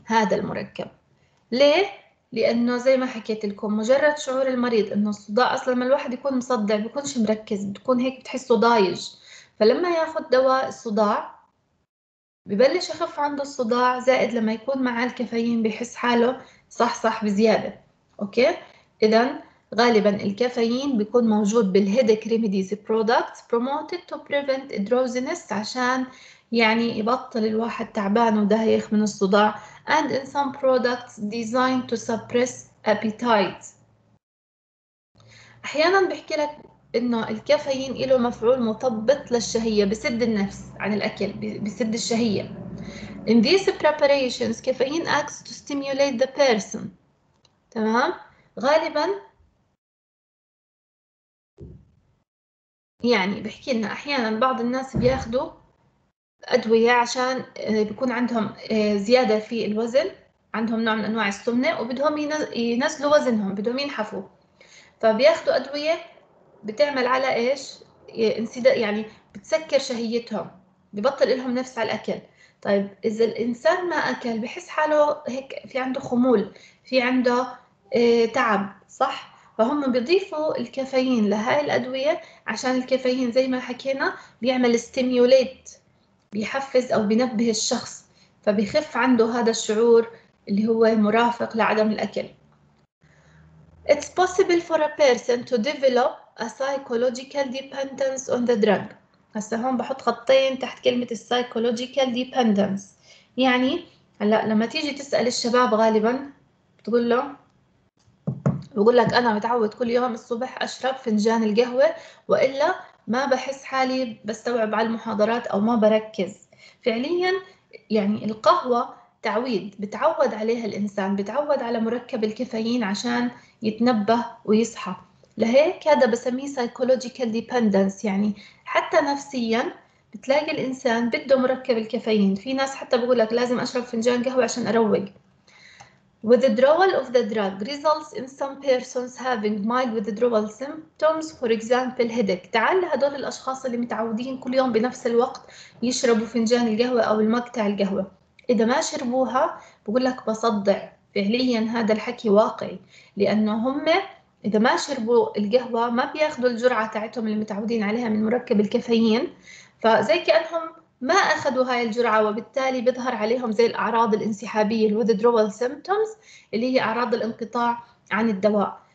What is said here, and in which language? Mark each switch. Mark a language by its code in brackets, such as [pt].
[ar] هذا المركب ليه؟ لأنه زي ما حكيت لكم مجرد شعور المريض إنه الصداع، أصلا لما الواحد يكون مصدع بيكونش مركز، بتكون هيك بتحسه ضايج، فلما ياخد دواء الصداع ببلش يخف عنده الصداع، زائد لما يكون معاه الكافيين بيحس حاله صح بزيادة. أوكي، إذا غالبا الكافيين بيكون موجود بالهيدك [en] remedies products promoted to prevent drowsiness, [ar] عشان يعني يبطل الواحد تعبان ودايخ من الصداع. [en] And in some products designed to suppress appetite. [ar] أحيانا بحكي لك إنه الكافيين له مفعول مطبط للشهية، بسد النفس عن الأكل، بسد الشهية. [en] In these preparations, caffeine acts to stimulate the person. [ar] تمام؟ غالبا يعني بحكي لنا أحيانا بعض الناس بياخدوا أدوية عشان بيكون عندهم زيادة في الوزن، عندهم نوع من أنواع السمنة وبدهم ينزلوا وزنهم، بدهم ينحفوا، فبياخدوا أدوية بتعمل على إيش؟ يعني بتسكر شهيتهم، ببطل إلهم نفس على الأكل. طيب إذا الإنسان ما أكل بحس حاله هيك في عنده خمول، في عنده تعب، صح؟ فهم بيضيفوا الكافيين لهاي الأدوية عشان الكافيين زي ما حكينا بيعمل استيميوليت، بيحفز أو بينبه الشخص، فبيخف عنده هذا الشعور اللي هو مرافق لعدم الأكل. [en] It's possible for a person to develop a psychological dependence on the drug. [ar] هسا هون بحط خطين تحت كلمة [en] psychological dependence. [ar] يعني هلأ لما تيجي تسأل الشباب غالبا بتقول له، بقول لك أنا متعود كل يوم الصبح أشرب فنجان القهوة وإلا ما بحس حالي بستوعب على المحاضرات أو ما بركز. فعليا يعني القهوة تعويد، بتعود عليها الإنسان، بتعود على مركب الكافيين عشان يتنبه ويصحى. لهيك هذا بسميه [en] psychological dependence، [ar] يعني حتى نفسيا بتلاقي الإنسان بده مركب الكافيين. في ناس حتى بقول لك لازم أشرب فنجان قهوة عشان أروق. [en] Withdrawal of the drug results in some persons having mild withdrawal symptoms, for example headache. [ar] تعال لهدول الأشخاص اللي متعودين كل يوم بنفس الوقت يشربوا فنجان القهوة أو المقطع القهوة، إذا ما شربوها بقول لك بصدع. فعليا هذا الحكي واقعي، لأنه هم إذا ما شربوا القهوة ما بياخدوا الجرعة تاعتهم اللي متعودين عليها من مركب الكافيين، فزي كأنهم ما أخذوا هاي الجرعة، وبالتالي بيظهر عليهم زي الأعراض الانسحابية الـ [en] withdrawal symptoms [ar] اللي هي أعراض الانقطاع عن الدواء.